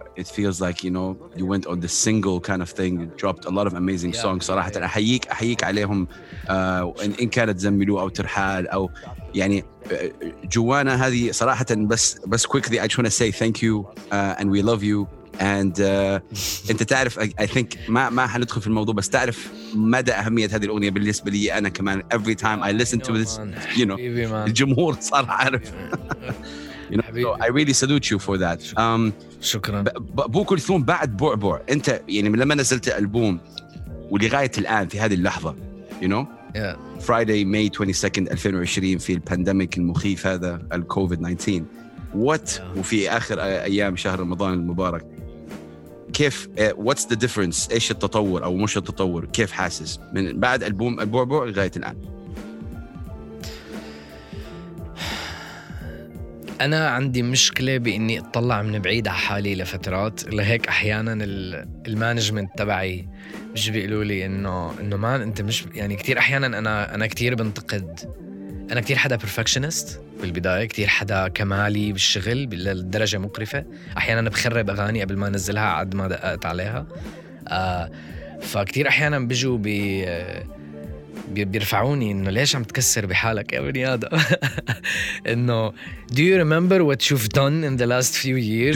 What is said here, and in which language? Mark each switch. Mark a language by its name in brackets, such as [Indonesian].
[English] It feels like you know you went on the single kind of thing. You dropped a lot of amazing songs. [Arabic] صراحة أحييك أحييك عليهم إن كانت زميلو أو ترحال أو يعني جوانا هذه صراحة. بس [English] quickly I just want to say thank you and we love you. And [Arabic] أنت تعرف [English] I think [Arabic] ما حندخل في الموضوع بس تعرف مدى أهمية هذه الأغنية بالنسبة لي أنا كمان. [English] Every time I listen to this you know [Arabic] الجمهور صار عارف. [English] You know, so I really salute you for that. [Arabic] شكراً. بو كلثوم بعد بعبع أنت يعني لما نزلت ألبوم ولغاية الآن في هذه اللحظة [English] you know Friday May 22nd 2020 [Arabic] في البانديميك المخيف هذا الكوفيد 19 [English] what [Arabic] وفي آخر أيام شهر رمضان المبارك كيف [English] what's the difference [Arabic] إيش التطور أو مش التطور كيف حاسس من بعد ألبوم البعبع لغاية الآن؟ أنا عندي مشكلة بإني أطلع من بعيد على حالي لفترات، لهيك أحياناً المانجمنت تبعي مش بيقولوا لي إنه ما أنت مش يعني كتير أحياناً أنا كتير بنتقد. أنا كتير حدا perfectionist بالبداية، كتير حدا كمالي بالشغل للدرجة مقرفة، أحياناً بخرب أغاني قبل ما نزلها عد ما دققت عليها. فكتير أحياناً بيجوا بيرفعوني إنه ليش عم تكسر بحالك يا بني آدم. إنه [English] do you remember what you've done in the last few years